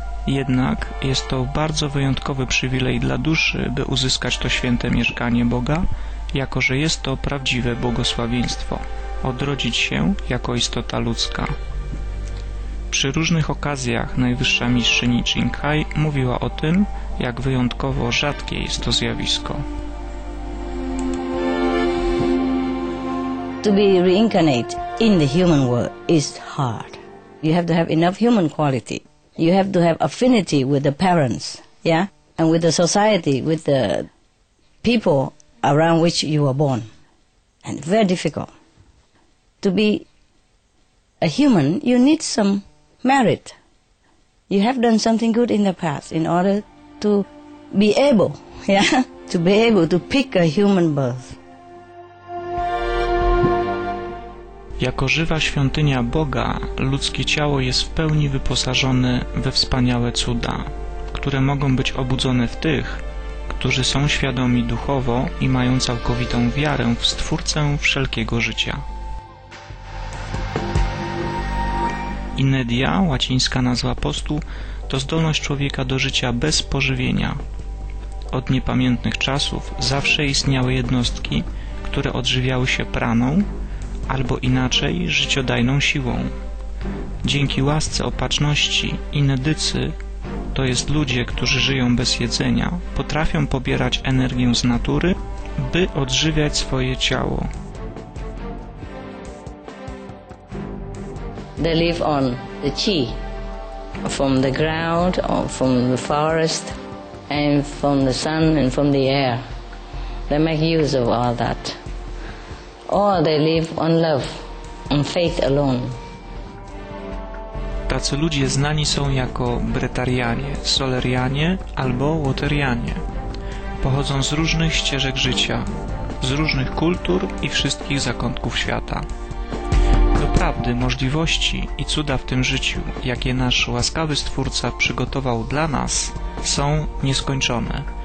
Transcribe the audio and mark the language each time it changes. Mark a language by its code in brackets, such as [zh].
[pl] Jednak jest to bardzo wyjątkowy przywilej dla duszy, by uzyskać to święte mieszkanie Boga, jako że jest to prawdziwe błogosławieństwo – odrodzić się jako istota ludzka. Przy różnych okazjach najwyższa mistrzyni Qinghai mówiła o tym, jak wyjątkowo rzadkie jest to zjawisko. [en] To be reincarnate in the human world is hard. You have to have enough human quality. You have to have affinity with the parents, yeah? And with the society, with the people around which you were born. And very difficult. To be a human, you need some merit. You have done something good in the past in order to be able, yeah? To be able to pick a human birth. [pl] Jako żywa świątynia Boga, ludzkie ciało jest w pełni wyposażone we wspaniałe cuda, które mogą być obudzone w tych, którzy są świadomi duchowo i mają całkowitą wiarę w Stwórcę wszelkiego życia. Inedia, łacińska nazwa postu, to zdolność człowieka do życia bez pożywienia. Od niepamiętnych czasów zawsze istniały jednostki, które odżywiały się praną, albo inaczej życiodajną siłą. Dzięki łasce opatrzności inedycy, to jest ludzie, którzy żyją bez jedzenia, potrafią pobierać energię z natury, by odżywiać swoje ciało. [en] They live on the chi, from the ground, or from the forest, and from the sun and from the air. They make use of all that. Or they live on love, on faith alone. [pl] Tacy ludzie znani są jako Bretarianie, Solerianie albo Waterianie. Pochodzą z różnych ścieżek życia, z różnych kultur i wszystkich zakątków świata. Doprawdy możliwości i cuda w tym życiu, jakie nasz łaskawy Stwórca przygotował dla nas, są nieskończone.